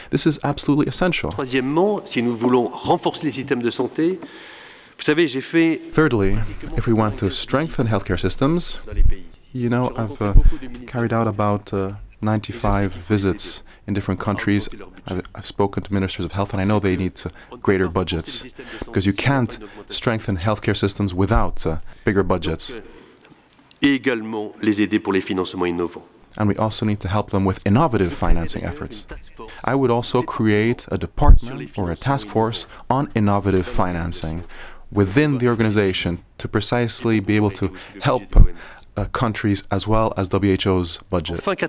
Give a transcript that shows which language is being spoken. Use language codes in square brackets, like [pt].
[en] This is absolutely essential. Thirdly, if we want to strengthen healthcare systems, you know, I've carried out about 95 visits in different countries. I've spoken to ministers of health, and I know they need greater budgets, because you can't strengthen healthcare systems without bigger budgets. [fr] Et également les aider pour les financements innovants. [en] And we also need to help them with innovative financing efforts. I would also create a department or a task force on innovative financing within the organization to precisely be able to help countries as well as WHO's budget.